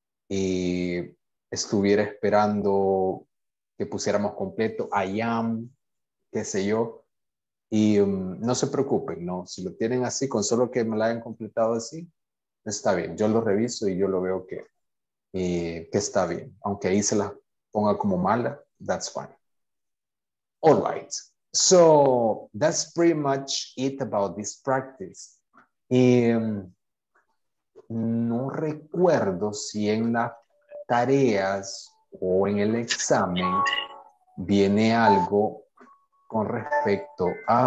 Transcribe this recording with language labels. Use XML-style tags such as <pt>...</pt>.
<es>estuviera esperando que pusiéramos completo, I am, qué sé yo. Y no se preocupen, ¿no? Si lo tienen así, con solo que me lo hayan completado así, está bien. Yo lo reviso y yo lo veo que está bien. Aunque ahí se la ponga como mala, that's fine. All right.</es> <en>So that's pretty much it about this practice.</en> <es>No recuerdo si en las tareas o en el examen viene algo con respecto a...</es>